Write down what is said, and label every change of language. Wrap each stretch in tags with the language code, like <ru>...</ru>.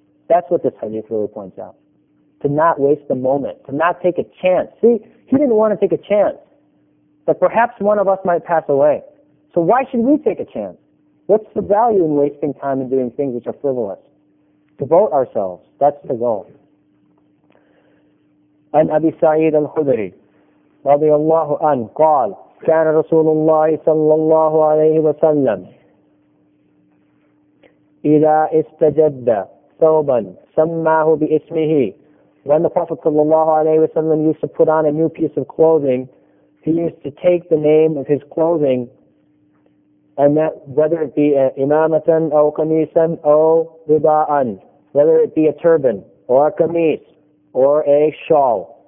<en>That's what this hadith really points out. To not waste the moment, to not take a chance. See, he didn't want to take a chance that perhaps one of us might pass away. So why should we take a chance? What's the value in wasting time and doing things which are frivolous? Devote ourselves. That's the goal.</en> <ar>An Abi Sa'id al-Khudri رضي الله عنه قال كان رسول الله صلى الله عليه وسلم إذا استجد ثوبا سماه بإسمه.</ar> <en>When the Prophet</en> <ar>صلى الله عليه وسلم</ar> <en>used to put on a new piece of clothing, he used to take the name of his clothing, and that whether it be</en> <ar>إمامة أو قميصا أو رباء,</ar> <en>whether it be a turban or a قميص or a shawl.</en>